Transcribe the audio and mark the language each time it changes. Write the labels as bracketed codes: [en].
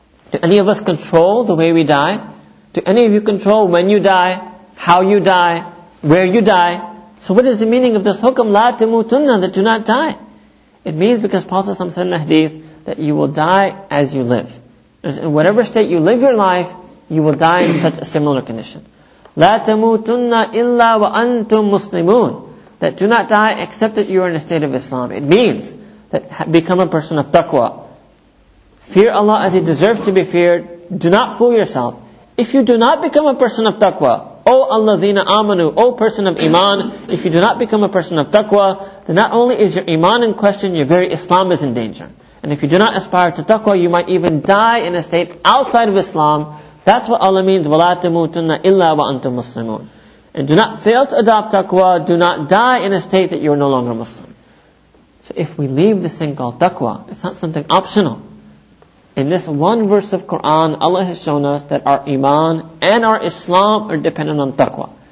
[en] Do any of us control the way we die? Do any of you control when you die, how you die, where you die? So what is the meaning of this hukam, [ar] لَا تَمُوتُنَّ, [en] that do not die? It means, because Prophet ﷺ said in the hadith, that you will die as you live. In whatever state you live your life, you will die in such a similar condition. [ar] لا تموتن إلا وأنتم مسلمون. [en] That do not die except that you are in a state of Islam. It means that become a person of taqwa. Fear Allah as He deserves to be feared. Do not fool yourself. If you do not become a person of taqwa, O alladhina amanu, O person of iman, if you do not become a person of taqwa, then not only is your iman in question, your very Islam is in danger. And if you do not aspire to taqwa, you might even die in a state outside of Islam. That's what Allah means, [ar] وَلَا تَمُوتُنَّ إِلَّا وَأَنْتُمْ مُسْلِمُونَ. [en] And do not fail to adopt taqwa, do not die in a state that you are no longer Muslim. So if we leave this thing called taqwa, it's not something optional. In this one verse of Quran, Allah has shown us that our iman and our Islam are dependent on taqwa.